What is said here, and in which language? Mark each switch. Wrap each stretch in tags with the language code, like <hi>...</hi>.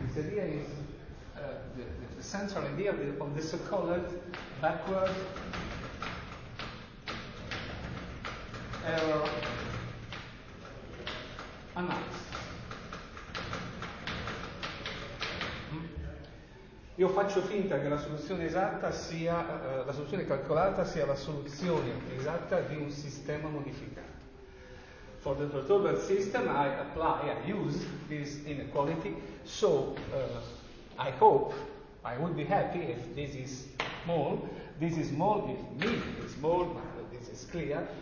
<en>This idea is the central idea of the so-called backward error analysis.</en> <it>Io faccio finta che la soluzione esatta sia la soluzione calcolata sia la soluzione esatta di un sistema modificato.</it> <en>For the perturbed system, I use this inequality. So I hope I would be happy if this is small. This is small if me is small. This is clear.</en>